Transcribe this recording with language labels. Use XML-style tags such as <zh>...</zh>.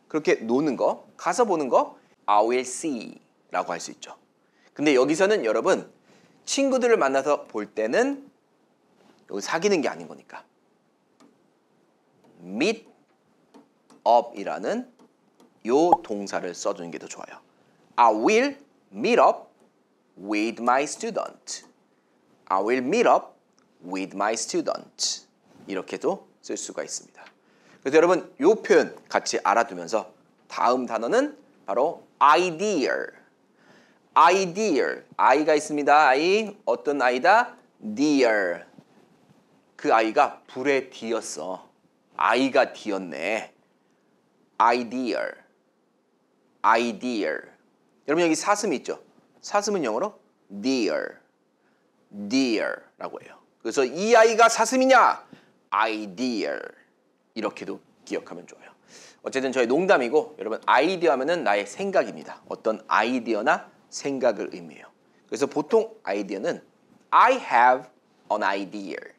<ko>그렇게 노는 거, 가서 보는 거</ko> <en>I will see</en> <ko>라고 할 수 있죠. 근데 여기서는 여러분 친구들을 만나서 볼 때는 여기 사귀는 게 아닌 거니까 meet up 이라는 요 동사를 써주는 게 더 좋아요.</ko> <en>I will meet up with my student. I will meet up with my student.</en> <ko>이렇게도 쓸 수가 있습니다. 그래서 여러분 요 표현 같이 알아두면서 다음 단어는 바로 idea. idea. I가 있습니다. I 어떤 아이다? dear. 그 아이가 불에 뒤었어. 아이가 뒤었네. idea. idea. 여러분 여기 사슴 있죠? 사슴은 영어로 deer. deer 라고 해요. 그래서 이 아이가 사슴이냐?</ko> <en>idea.</en> <ko>이렇게도 기억하면 좋아요. 어쨌든 저의 농담이고 여러분 아이디어 하면은 나의 생각입니다. 어떤 아이디어나 생각을 의미해요. 그래서 보통 아이디어는</ko> <en>I have an idea.</en>